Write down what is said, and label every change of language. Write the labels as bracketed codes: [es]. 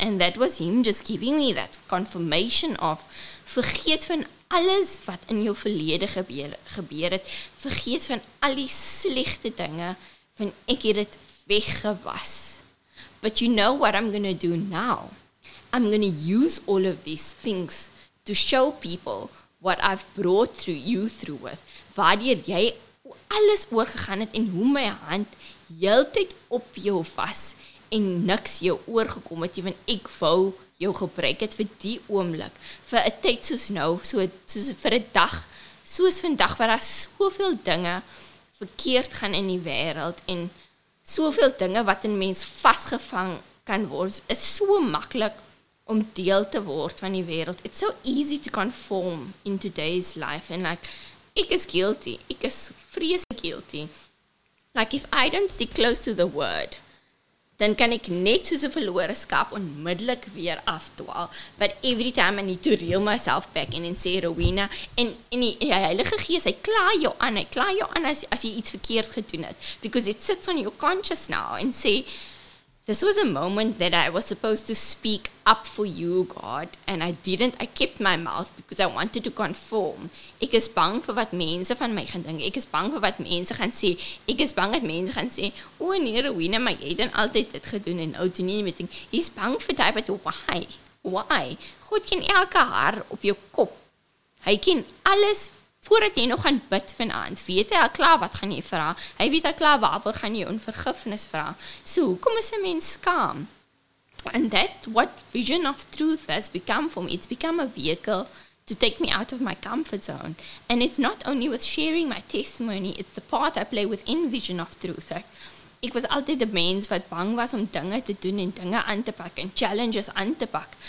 [en] And that was him just giving me that confirmation of, [af] vergeet van alles wat in jou verlede gebeur het, vergeet van al die slegte dinge, van ek het dit weggewas. [en] But you know what I'm going to do now? I'm going to use all of these things to show people what I've brought through you through with, [af] waardeur jy alles oorgegaan het en hoe my hand heeltyd op jou was en niks jou oorgekom het, want ek wou jou gebruik het vir die oomblik, vir 'n tyd soos nou, soos vir 'n dag, soos vandag, waar daar soveel dinge verkeerd gaan in die wêreld en soveel dinge wat in mens vasgevang kan word, is so maklik om deel te word van die wêreld. [en] It's so easy to conform in today's life, and like, [af] ek is guilty, ek is vreeslik guilty. [en] Like, if I don't stick close to the word, [af] dan kan ek net soos 'n verlore skaap onmiddellik weer afdwaal. [en] But every time I need to reel myself back in and say, Rowena, [af] en die Heilige Gees, hy kla jou aan as jy iets verkeerd gedoen het. [en] Because it sits on your conscience now and say, this was a moment that I was supposed to speak up for you, God, and I didn't. I kept my mouth because I wanted to conform. [af] Ek is bang vir wat mense van my gaan dink. Ek is bang vir wat mense gaan sê. Ek is bang dat mense gaan sê, o nee, Rowena, maar jy het dan altyd dit gedoen en nou doen jy nie meer ding. He's bang vir die, [en] but why? [af] God ken elke haar op jou kop. Hy ken alles voordat jy nog gaan bid vanaand. Weet hy al klaar wat gaan jy vra? Hy weet al klaar waarvoor gaan jy onvergifnis vra? So, hoekom is 'n mens skaam? [en] And that what vision of truth has become for me. It's become a vehicle to take me out of my comfort zone. And it's not only with sharing my testimony, it's the part I play within vision of truth. [af] Ek was altyd die mens wat bang was om dinge te doen en dinge aan te pak en challenges aan te pak.